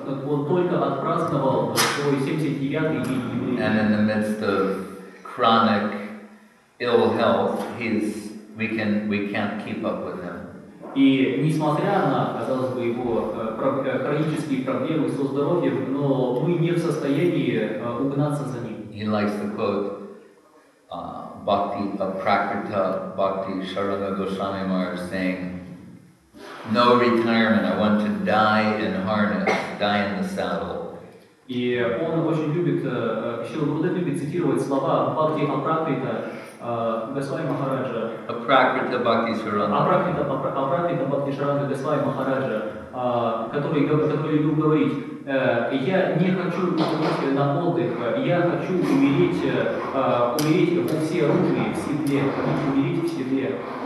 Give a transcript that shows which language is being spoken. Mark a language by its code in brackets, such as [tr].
[ru] Он только отпраздновал свой 79-й день юбилея. [en] And in the midst of chronic ill health, we can't keep up with him. [ru] И несмотря на, казалось бы, его хронические проблемы со здоровьем, но мы не в состоянии угнаться за ним. [en] He likes to quote Bhakti Aprakrita Bhakti Sharada Goswami Maharaj saying, "No retirement. I want to die in harness, die in the saddle." [ru] И он очень любит, Шрила Гурудев любит цитировать слова Бхакти Апракрита Госвами Махараджа. Апракрита Бхакти Шаранга. Апракрита Бхакти Шаранга Госвами Махараджа, который любит говорить: я не хочу умереть на отдых, я хочу умереть во все оружие в седле, хочу умереть в седле.